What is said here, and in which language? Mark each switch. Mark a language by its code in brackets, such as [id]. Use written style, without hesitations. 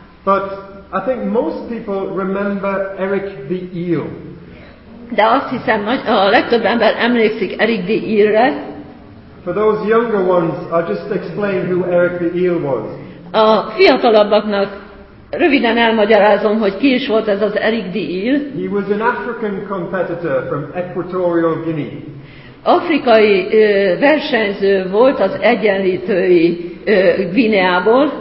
[en] But I think most people remember Eric the Eel. [hu] De azt hiszem, a legtöbb ember emlékszik Eric the Eel-re. [en] For those younger ones, I'll just explain who Eric the Eel was. [hu] A fiatalabbaknak röviden elmagyarázom, hogy ki is volt ez az Eric the Eel. [en] He was an African competitor from Equatorial Guinea. [hu] Afrikai versenyző volt az egyenlítői Guineából.